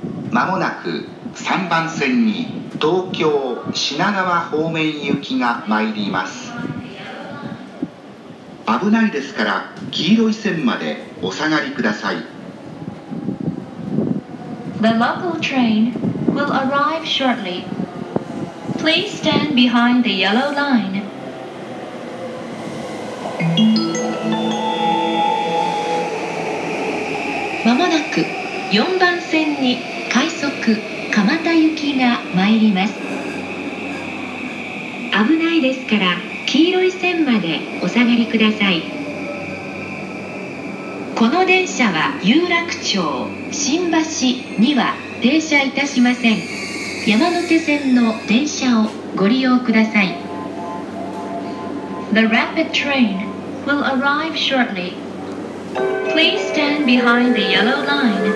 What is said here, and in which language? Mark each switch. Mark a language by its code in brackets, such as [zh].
[ja] まもなく3番線に東京品川方面行きが参ります。危ないですから黄色い線までお下がりください。 [en] The local train will arrive shortly. Please stand behind the yellow line. [ja] まもなく4番線に快速蒲田行きが参ります。危ないですから黄色い線までお下がりください。この電車は有楽町新橋には停車いたしません。山手線の電車をご利用ください。 [en] The rapid train will arrive shortly. Please stand behind the yellow line.